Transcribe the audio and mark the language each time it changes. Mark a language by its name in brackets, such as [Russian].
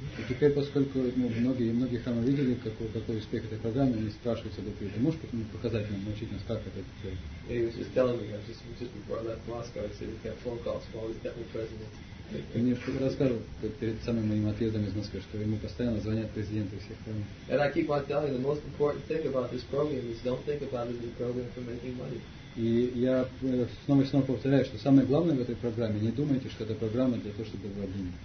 [Russian] И теперь, поскольку многие храмы видели, какой успех этой программы, они спрашивают Садупи, ты можешь показать нам, научить нас, как это сделать? [English] He was just telling me, just before I left Moscow, I said, we got phone calls from all these deputy presidents. [Russian] И мне рассказывал перед самым моим отъездом из Москвы, что ему постоянно звонят президенты всех стран. [English] And I keep on telling the most important thing about this program is don't think about it as a program for making money. [Russian] И я снова и снова повторяю, что самое главное в этой программе, не думайте, что это программа для того, чтобы было деньги.